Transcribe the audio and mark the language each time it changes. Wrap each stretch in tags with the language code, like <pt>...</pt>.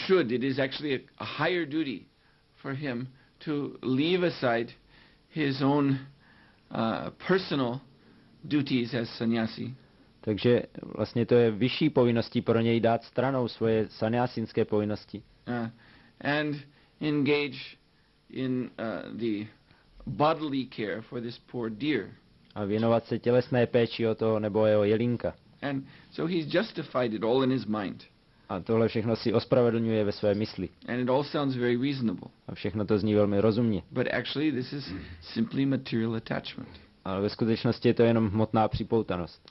<en>It is actually a higher duty for him to leave aside his own personal duties as sannyasi.</en> <cs>Takže vlastně to je vyšší povinností pro něj dát stranou svoje sannyasinské povinnosti.</cs> <en>And engage in the bodily care for this poor deer.</en> <cs>A věnovat se tělesné péči o toho nebo jeho jelinka.</cs> <en>And so he's justified it all in his mind.</en> <cs>A tohle všechno si ospravedlňuje ve své mysli.</cs> <en>And it all sounds very reasonable.</en> <cs>A všechno to zní velmi rozumně.</cs> <en>But actually this is simply material attachment.</en> <cs>Ale ve skutečnosti je to jenom hmotná připoutanost.</cs>